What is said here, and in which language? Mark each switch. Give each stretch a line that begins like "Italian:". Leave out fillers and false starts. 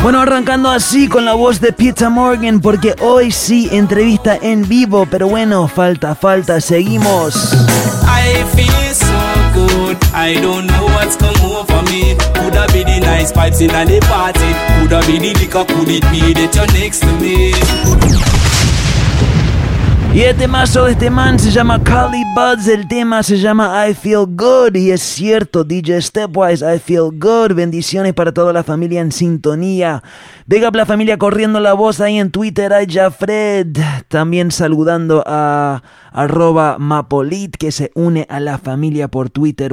Spanish: Bueno, arrancando así con la voz de Peter Morgan, porque hoy sí, entrevista en vivo. Pero bueno, falta, seguimos.
English: I feel so good, I don't know what's come over me. Could I be the nice pipes in a party? Could I be the liquor? Could it be that you're next to me?
Spanish: Y este mazo, este man se llama Cali Buds, el tema se llama I Feel Good, y es cierto, DJ Stepwise, I Feel Good, bendiciones para toda la familia en sintonía. Big up la familia corriendo la voz ahí en Twitter, a Jafred, también saludando a @mapolit que se une a la familia por Twitter.